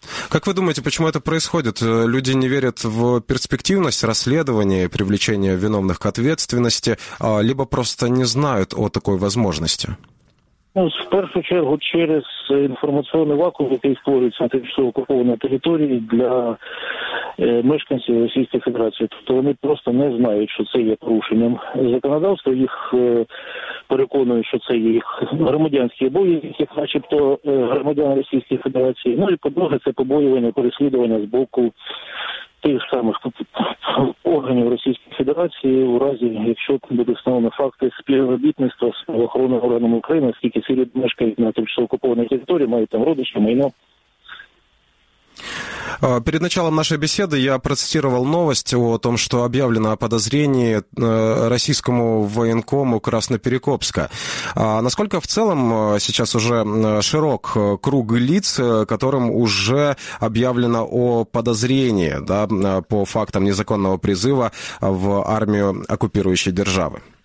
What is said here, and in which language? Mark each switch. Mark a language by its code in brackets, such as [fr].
[ru] Как вы думаете, почему это происходит? Люди не верят в перспективность расследования, привлечения виновных к ответственности, либо просто не знают о такой возможности? [uk] Ну, в першу чергу, через інформаційний вакуум, який створюється на тимчасово окупованій території для мешканців Російської Федерації. Тобто вони просто не знають, що це є порушенням законодавства. Їх переконують, що це є їх громадянські бої, які начебто громадян Російської Федерації. Ну і по-друге, це побоювання, переслідування з боку тих самих органів Російської Федерації у разі, якщо буде встановлено факти співробітництва з правоохоронними органами України, оскільки ці люди мешкають на тимчасово окупованій території, мають там родичі, майно. [ru] Перед началом нашей беседы я процитировал новость о том, что объявлено о подозрении российскому военкому Красноперекопска. А насколько в целом сейчас уже широк круг лиц, которым уже объявлено о подозрении, да, по фактам незаконного призыва в армию оккупирующей державы?